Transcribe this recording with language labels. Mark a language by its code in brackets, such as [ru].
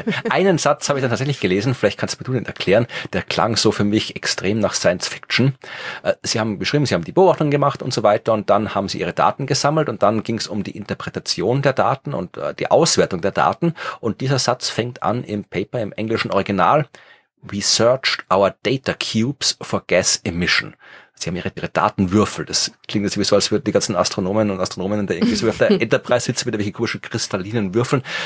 [de] Einen Satz habe ich dann tatsächlich gelesen, vielleicht kannst du mir den erklären, der klang so für mich extrem nach Science Fiction. Sie haben beschrieben, sie haben die Beobachtung gemacht und so weiter und dann haben sie ihre Daten gesammelt und dann ging es um die Interpretation der Daten und die Auswertung der Daten und dieser Satz fängt an im Paper, im englischen Original. [en] We searched our data cubes for gas emission. [de] Sie haben ihre Datenwürfel. Das klingt jetzt sowieso, als würden die ganzen Astronomen und Astronominnen da irgendwie so auf der Enterprise sitzen mit irgendwelchen komischen kristallinen Würfeln.